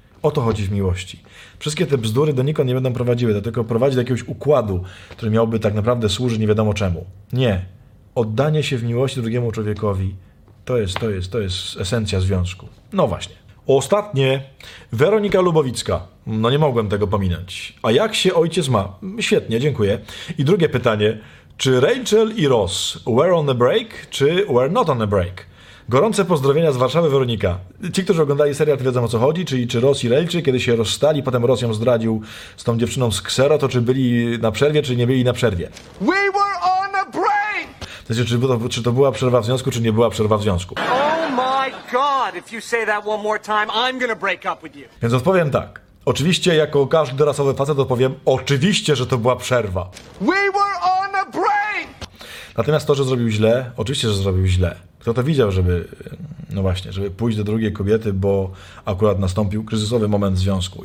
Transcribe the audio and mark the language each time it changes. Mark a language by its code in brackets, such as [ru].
[pl] O to chodzi w miłości. Wszystkie te bzdury do nikąd nie będą prowadziły, tylko prowadzi do jakiegoś układu, który miałby tak naprawdę służyć nie wiadomo czemu. Nie. Oddanie się w miłości drugiemu człowiekowi to jest esencja związku. No właśnie. Ostatnie. Weronika Lubowicka. No nie mogłem tego pominąć. A jak się ojciec ma? Świetnie, dziękuję. I drugie pytanie. Czy Rachel i Ross [en] were on a break, czy were not on a break? [pl] Gorące pozdrowienia z Warszawy, Weronika. Ci, którzy oglądali serial, to wiedzą, o co chodzi, czyli czy Ross i Rachel, kiedy się rozstali, potem Ross ją zdradził z tą dziewczyną z Xero, to czy byli na przerwie, czy nie byli na przerwie? [en] We were on a break! [pl] To znaczy, czy to była przerwa w związku, czy nie była przerwa w związku? [en] Oh my God, if you say that one more time, I'm gonna break up with you. [pl] Więc odpowiem tak. Oczywiście, jako każdy rasowy facet, odpowiem oczywiście, że to była przerwa. [en] We were on a break! [pl] Natomiast to, że zrobił źle, oczywiście, że zrobił źle. Kto to widział, żeby pójść do drugiej kobiety, bo akurat nastąpił kryzysowy moment w związku.